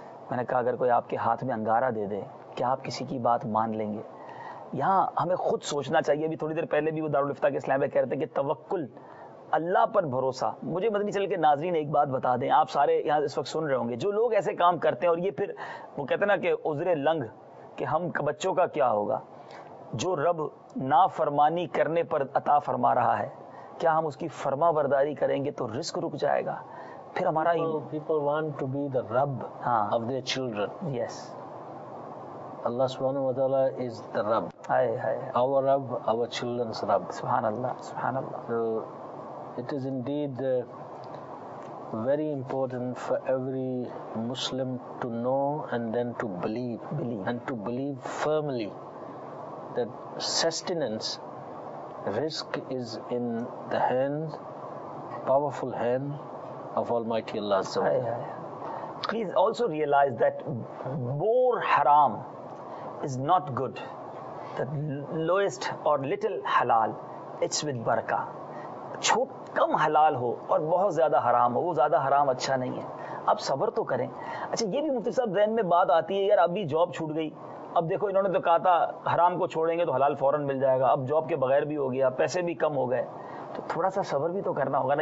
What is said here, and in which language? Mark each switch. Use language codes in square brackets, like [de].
[ur] میں نے کہا اگر کوئی آپ کے ہاتھ میں انگارہ دے دے، کیا آپ کسی کی بات مان لیں گے؟ یہاں ہمیں خود سوچنا چاہیے۔ ابھی تھوڑی دیر پہلے بھی وہ دارالفتا کے اسلام میں کہہ رہے تھے کہ توکل، اللہ پر بھروسہ۔ مجھے مدنی چل کے ناظرین ایک بات بتا دیں، آپ سارے یہاں اس وقت سن رہے ہوں گے، جو لوگ ایسے کام کرتے ہیں اور یہ پھر وہ کہتے ہیں نا کہ عذرے لنگ، کہ ہم بچوں کا کیا ہوگا، جو رب نافرمانی کرنے پر عطا فرما رہا ہے، کیا ہم اس کی فرما برداری کریں گے تو رزق رک جائے گا؟ پھر ہمارا [en] people want to be the رب of their children. Yes. Allah subhanahu wa ta'ala is the رب. Aye, aye, aye. Our رب, our children's رب. [ar] Subhanallah, subhanallah. [en] So it is indeed very important for every Muslim to know and then to believe. And to believe firmly that sustenance, risk is in the hand, powerful hand of Almighty Allah. Aye, aye. Please also realize that more haram is not good. The lowest or little halal, it's with barakah. [ur] چھوٹ کم حلال ہو اور بہت زیادہ حرام ہو، وہ زیادہ حرام اچھا نہیں ہے، اب صبر تو کریں. اچھا یہ بھی مفتی صاحب ذہن میں بات آتی ہے، یار ابھی جاب چھوٹ گئی، اب دیکھو انہوں نے تو کہا تھا حرام کو چھوڑیں گے تو حلال فوراً مل جائے گا، اب جاب کے بغیر بھی ہو گیا، پیسے بھی کم ہو گئے، تو تھوڑا سا صبر بھی تو کرنا ہوگا نا.